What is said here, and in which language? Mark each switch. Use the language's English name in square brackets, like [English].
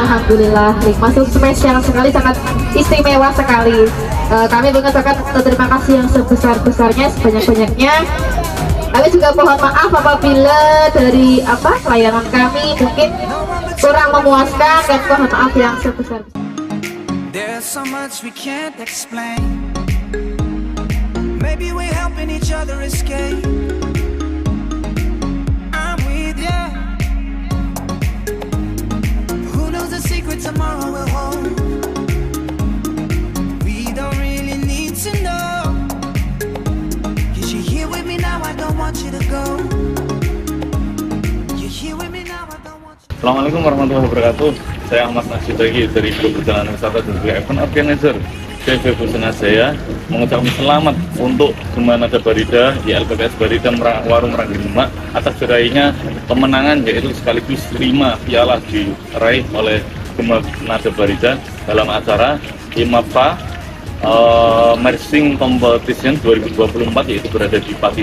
[Indonesian] Alhamdulillah, 5. Masuk spesial sekali, sangat istimewa sekali. Kami mengucapkan terima kasih yang sebesar-besarnya, sebanyak-banyaknya. Kami juga mohon maaf apabila dari apa layanan kami mungkin kurang memuaskan, dan mohon maaf yang sebesar-besarnya. [English] There's so much we can't explain. Maybe we're helping each other escape. I'm with ya. Who knows the secret tomorrow will hold? We don't really need to know. 'Cause you're here with me now, I don't want you to go. You're here with me now, I don't want you. [Arabic] Assalamualaikum warahmatullahi wabarakatuh. [Indonesian] Saya Ahmad Nasir Dagi dari Grup Perjalanan Wisata dan juga Event Organizer PV Busana Jaya, mengucapkan selamat untuk Gemanada Barida di LPPS Barida Warung Meranggi 5 atas diraihnya kemenangan, yaitu sekaligus 5 piala diraih oleh Gemanada Barida dalam acara IMAPA Mersing Competition 2024, yaitu berada di Pati.